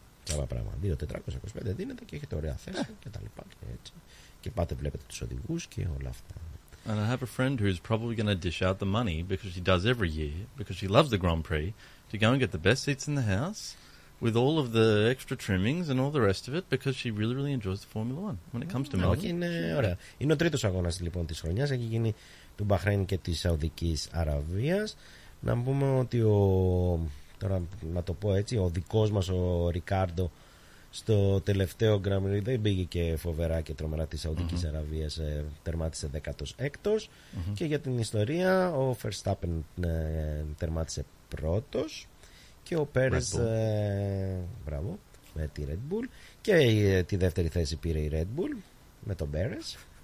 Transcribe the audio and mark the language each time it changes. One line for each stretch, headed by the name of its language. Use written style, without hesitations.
Greek: Καλά πράγμα. 2425 δίνεται και έχετε ωραία θέση και τα λοιπά. Και έτσι. Και πάτε, βλέπετε τους οδηγούς και όλα αυτά.
English: And I have a friend who's probably going to dish out the money, because she does every year, because she loves the Grand Prix, to go and get the best seats in the house, with all of the extra trimmings and all the rest of it because she really, really enjoys the Formula 1 when it comes to Melbourne.
Greek: Είναι, ωραία. Είναι ο τρίτος αγώνας λοιπόν της χρονιάς. Έχει γίνει του Μπαχρέιν και της Σαουδικής Αραβίας. Να πούμε ότι ο, τώρα να το πω έτσι, ο δικός μας ο Ρικάρντο στο τελευταίο Grand Prix δεν πήγε και φοβερά και τρομερά της Σαουδικής Αραβίας, τερμάτισε 16ος και για την ιστορία ο Verstappen τερμάτισε πρώτος και ο Πέρες μπράβο, με τη Red Bull και τη δεύτερη θέση πήρε η Red Bull με τον Πέρες.